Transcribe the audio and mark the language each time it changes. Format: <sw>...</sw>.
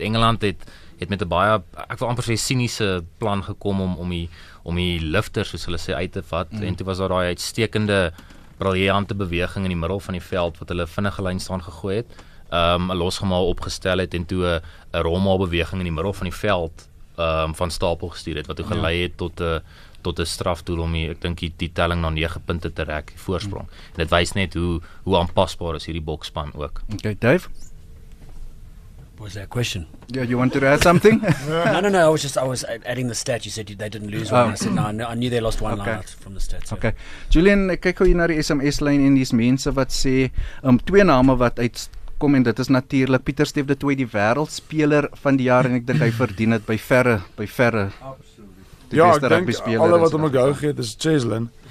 <af>Engeland het met 'n baie, ek wil amper sê siniese plan gekom om die lifters soos hulle sê uit te vat en toe was daar daai uitstekende briljante beweging in die middel van die veld wat hulle vinnige lyn staan gegooi het. 'n losgemaal opgestel het en toe 'n Roma beweging in die middel van die veld van stapel gestuur het, wat toe gelei het tot 'n strafdoel om ek dink die telling na 9 punte te rek, die voorsprong. En dit wys net hoe aanpasbaar is hierdie bokspan ook. Okay, Dave?</af> <en>Was that a question? Yeah, you wanted to add something? No, I was adding the stat. You said they didn't lose one. I said, no, I knew they lost one line out from the stat. So. Okay.</en> <af>Julian, ek kyk hoe jy na die SMS-lyn en dis mense wat sê, twee name wat uitkom en dit is natuurlik Pieter Steef de Tooy, die wêreldspeler van die jaar en ek dink hy verdien dit by verre. Absoluut. Ja, ek dink alle wat om ek hou gee is Cheslin.</af>